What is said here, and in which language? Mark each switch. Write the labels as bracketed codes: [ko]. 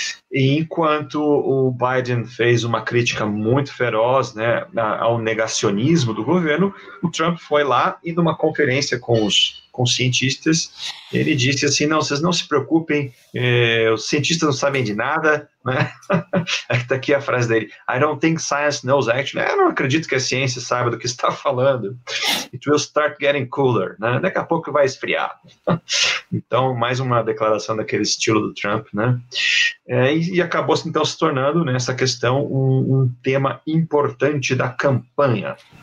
[pt] E enquanto o Biden fez uma crítica muito feroz, né, ao negacionismo do governo, o Trump foi lá e, numa conferência com cientistas, ele disse assim: não, vocês não se preocupem, os cientistas não sabem de nada, né? Está aqui a frase dele: [en] I don't think science knows actually. [pt] Eu não acredito que a ciência saiba do que está falando. [en] It will start getting cooler, [pt] né? Daqui a pouco vai esfriar. Então, mais uma declaração daquele estilo do Trump, né? E acabou, então, se tornando, né, essa questão um tema importante da campanha.